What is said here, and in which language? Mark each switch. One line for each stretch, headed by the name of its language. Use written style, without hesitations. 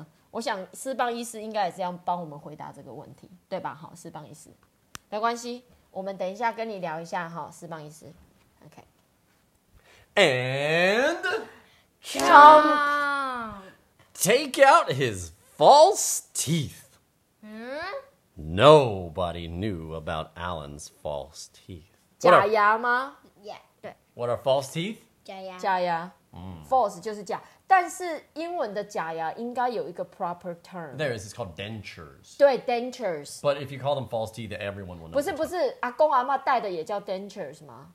Chinese: 我想思邦医师应该也是要帮我们回答这个问题,对吧? 好, 思邦医师, 没关系。我们等一下跟你聊一下,斯邦医师, OK.
English: And... Chomp! Take out his false teeth. Hmm? Nobody knew about Alan's false teeth.
Chinese: 假牙吗?
English: Yeah,
Chinese: 对.
English: What are false teeth?
Chinese: 假牙。 False就是假, 但是英文的假牙应该有一个
English: proper term. There is, it's called dentures.
Chinese: 对, dentures.
English: But if you call them false teeth, everyone will know.
Chinese: 不是, 阿公阿嬷戴的也叫 dentures吗?